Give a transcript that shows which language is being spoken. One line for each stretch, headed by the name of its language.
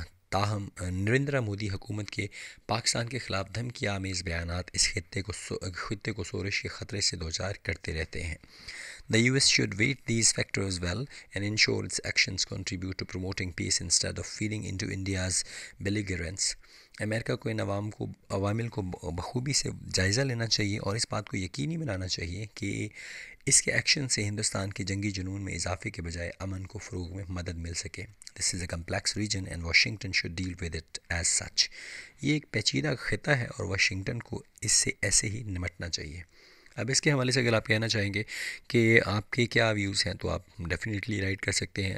Urdu: تاہم نریندرا مودی حکومت کے پاکستان کے خلاف دھمکی آمیز بیانات اس خطے کو شورش کے خطرے سے دوچار کرتے رہتے ہیں.
English: The US should weigh these factors well and ensure its actions contribute to promoting peace instead of feeding into India's belligerence.
Urdu: امریکہ کو ان عوامل کو بخوبی سے جائزہ لینا چاہیے اور اس بات کو یقینی بنانا چاہیے کہ اس کے ایکشن سے ہندوستان کے جنگی جنون میں اضافے کے بجائے امن کو فروغ میں مدد مل سکے.
English: This is a complex region and Washington should deal with it as such.
Urdu: یہ ایک پیچیدہ خطہ ہے اور واشنگٹن کو اس سے ایسے ہی نمٹنا چاہیے. اب اس کے حوالے سے اگر آپ کہنا چاہیں گے کہ آپ کے کیا ویوز ہیں تو آپ ڈیفینیٹلی رائٹ کر سکتے ہیں.